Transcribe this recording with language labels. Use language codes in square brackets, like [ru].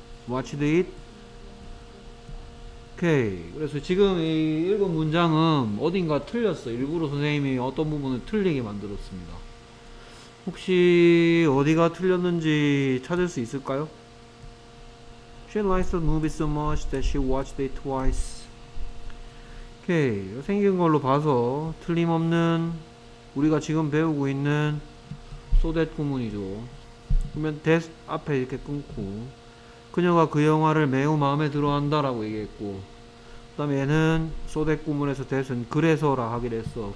[en] Watch it. [ko] 오케이, 그래서 지금 이 읽은 문장은 어딘가 틀렸어. 일부러 선생님이 어떤 부분을 틀리게 만들었습니다. 혹시 어디가 틀렸는지 찾을 수 있을까요? [en] She likes the movie so much that she watched it twice. [ko] 오케이, 생긴 걸로 봐서 틀림없는 우리가 지금 배우고 있는 소댓 구문이죠. 그러면 that 앞에 이렇게 끊고 그녀가 그 영화를 매우 마음에 들어 한다라고 얘기했고, 그다음에 얘는 소댓 구문에서 that은 그래서라 하기로 했어.